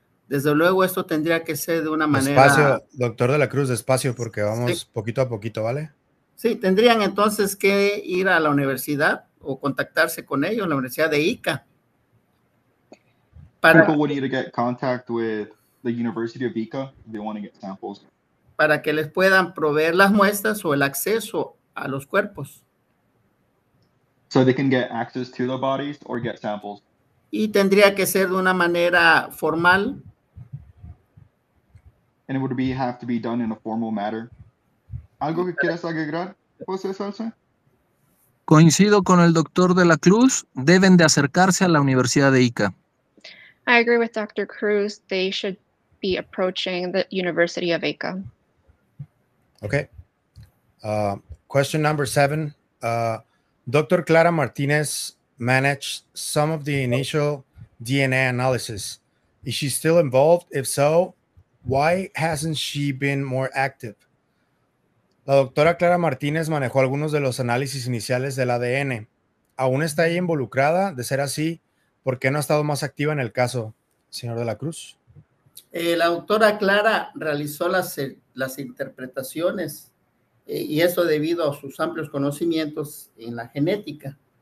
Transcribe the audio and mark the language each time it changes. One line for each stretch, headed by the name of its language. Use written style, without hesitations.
Spanish: Desde luego, esto tendría que ser de una manera... Despacio, doctor de la Cruz, despacio, porque vamos, sí, poquito a poquito, ¿vale? Sí, tendrían entonces que ir a la universidad o contactarse con ellos, la Universidad de Ica.
English: Para, people would need to get contact with the University of Ica if they want to get samples.
Spanish: Para que les puedan proveer las muestras o el acceso a los cuerpos.
English: So they can get access to the bodies or get samples.
Spanish: Y tendría que ser de una manera formal.
English: And it would be, have to be done in a formal manner.
Spanish: ¿Algo que quieras agregar, José Salsa? Coincido con el doctor de la Cruz, deben de acercarse a la Universidad de Ica.
English: I agree with Dr. Cruz, they should be approaching the University of Ica. Okay. Question number 7. Dr. Clara Martinez managed some of the initial DNA analysis. Is she still involved? If so, why hasn't she been more active?
Spanish: La doctora Clara Martínez manejó algunos de los análisis iniciales del ADN. aún está ahí involucrada, de ser así, ¿por qué no ha estado más activa en el caso, señor de la Cruz? La doctora Clara realizó las interpretaciones, y eso debido a sus amplios conocimientos en la genética.